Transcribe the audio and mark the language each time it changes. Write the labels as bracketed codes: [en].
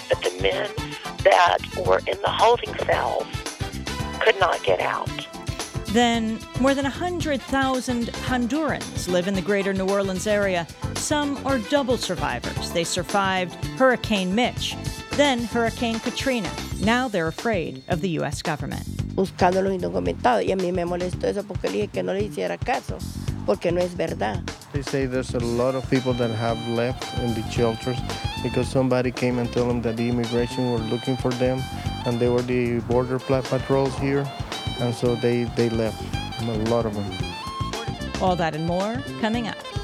[en] But the men that were in the holding cells could not get out. Then, more than 100,000 Hondurans live in the greater New Orleans area. Some are double survivors. They survived Hurricane Mitch, then Hurricane Katrina. Now they're afraid of the U.S. government. [es] Buscando los indocumentados, y a mí me molestó eso porque le dije que no le hiciera caso, porque no es verdad. [en] They say there's a lot of people that have left in the shelters because somebody came and told them that the immigration were looking for them, and they were the border patrols here, and so they left, a lot of them. All that and more coming up.